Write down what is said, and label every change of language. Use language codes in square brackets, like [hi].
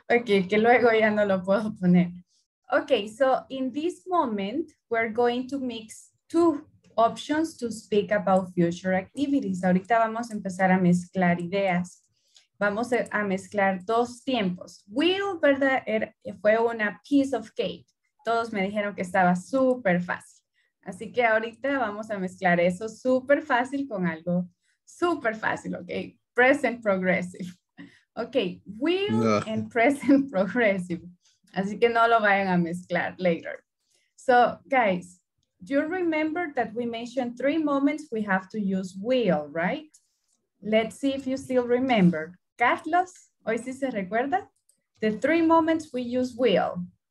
[es] Okay, que luego ya no lo puedo poner. [en] Okay, so in this moment, we're going to mix two options to speak about future activities. [es] Ahorita vamos a empezar a mezclar ideas. Vamos a mezclar dos tiempos. Will, ¿verdad? Fue una [en] piece of cake. [es] Todos me dijeron que estaba súper fácil. Así que ahorita vamos a mezclar eso súper fácil con algo súper fácil, okay? [en] Present progressive. Okay, will and present progressive. [es] Así que no lo vayan a mezclar [en] later. So, guys, you remember that we mentioned three moments we have to use will, right? Let's see if you still remember. Carlos, [es] ¿hoy sí se recuerda? [en] The three moments we use will.